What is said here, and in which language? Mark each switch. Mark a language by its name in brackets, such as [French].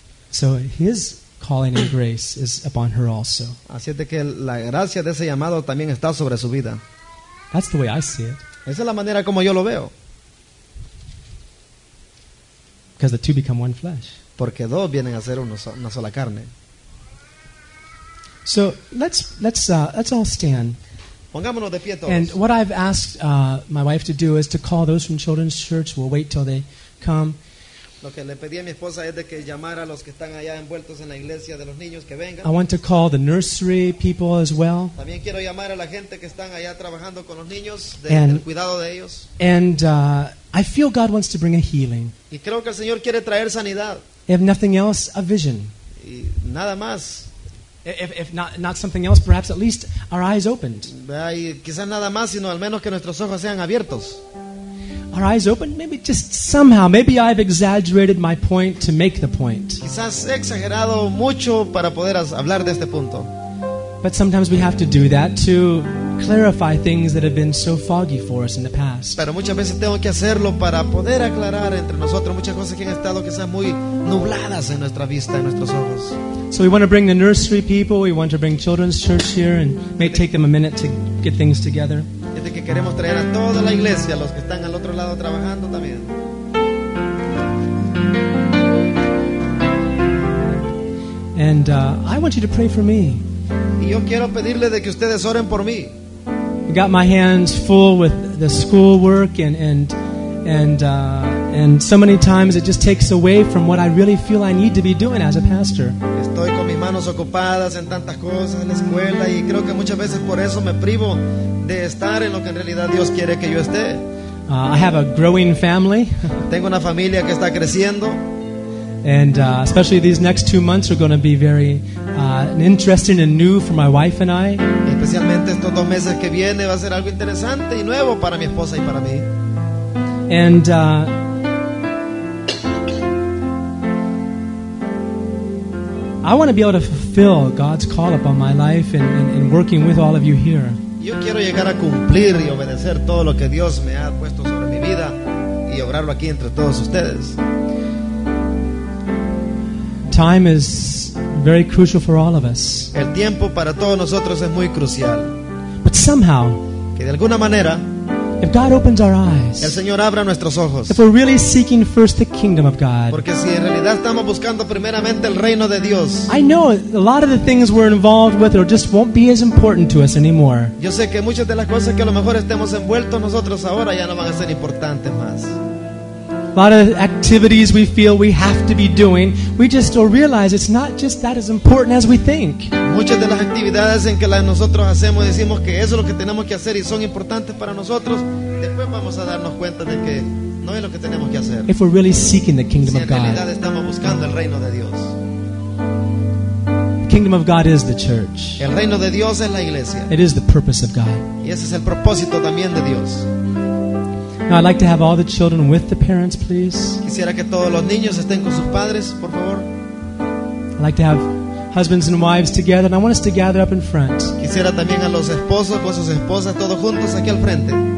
[English] So his calling and grace is upon her also. [Spanish] Así es de que la gracia de ese llamado también está sobre su vida. [English] That's the way I see it. [Spanish] Esa es la manera como yo lo veo. [English] Because the two become one flesh. [Spanish] Porque dos vienen a ser una sola carne. [English] So let's all stand. [Spanish] Pongámonos de pie todos. [English] And what I've asked my wife to do is to call those from Children's Church. We'll wait till they come. [Spanish] Lo que le pedí a mi esposa es de que llamara a los que están allá envueltos en la iglesia de los niños que vengan. [English] I want to call the nursery people as well. [Spanish] También quiero llamar a la gente que están allá trabajando con los niños del cuidado de ellos. [English] And I feel God wants to bring a healing. [Spanish] Y creo que el Señor quiere traer sanidad. [English] If nothing else, a vision. [Spanish] Y nada más. [English] If not something else, perhaps at least our eyes opened. [Spanish] Y quizás nada más, sino al menos que nuestros ojos sean abiertos. [English] Our eyes open, maybe just somehow. Maybe I've exaggerated my point to make the point. [Spanish] Quizás he exagerado mucho para poder hablar de este punto. [English] But sometimes we have to do that to clarify things that have been so foggy for us in the past. [Spanish] Pero muchas veces tengo que hacerlo para poder aclarar entre nosotros muchas cosas que han estado quizás muy nubladas en nuestra vista, en nuestros ojos. [English] So we want to bring the nursery people. We want to bring children's church here, and it may take them a minute to get things together. [Spanish] De que queremos traer a toda la iglesia, los que están al otro lado trabajando también. [English] And I want you to pray for me. [Spanish] Y yo quiero pedirle de que ustedes oren por mí. [English] I got my hands full with the schoolwork and so many times it just takes away from what I really feel I need to be doing as a pastor. [Spanish] Estoy con mis manos ocupadas en tantas cosas, en la escuela, y creo que muchas veces por eso me privo de estar en lo que en realidad Dios quiere que yo esté. [English] I have a growing family. [Spanish] Tengo una familia que está creciendo. [English] And especially these next 2 months are going to be very interesting and new for my wife and I. [Spanish] Especialmente estos dos meses que viene va a ser algo interesante y nuevo para mi esposa y para mí. [English] And I want to be able to fulfill God's call upon my life and working with all of you here. [Spanish] Yo quiero llegar a cumplir y obedecer todo lo que Dios me ha puesto sobre mi vida y obrarlo aquí entre todos ustedes. [English] Time is very crucial for all of us. [Spanish] El tiempo para todos nosotros es muy crucial. [English] But somehow, [Spanish] que de alguna manera, [English] if God opens our eyes, [Spanish] el Señor abra nuestros ojos, [English] if we're really seeking first the kingdom of God, [Spanish] porque si en realidad estamos buscando primeramente el reino de Dios, [English] I know a lot of the things we're involved with or just won't be as important to us anymore. [Spanish] Yo sé que muchas de las cosas que a lo mejor estemos envueltos nosotros ahora ya no van a ser importantes más. [English] A lot of activities we feel we have to be doing, we just don't realize it's not just that as important as we think. [Spanish] Muchas de las actividades en que las nosotros hacemos decimos que eso es lo que tenemos que hacer y son importantes para nosotros. Después vamos a darnos cuenta de que no es lo que tenemos que hacer. [English] If we're really seeking the kingdom of God, [Spanish] si en realidad estamos buscando el reino de Dios. [English] The kingdom of God is the church. [Spanish] El reino de Dios es la iglesia. [English] It is the purpose of God. [Spanish] Y ese es el propósito también de Dios. [English] Now I'd like to have all the children with the parents, please. [Spanish] Quisiera que todos los niños estén con sus padres, por favor. [English] I'd like to have husbands and wives together, and I want us to gather up in front. [Spanish] Quisiera también a los esposos con sus esposas todos juntos aquí al frente.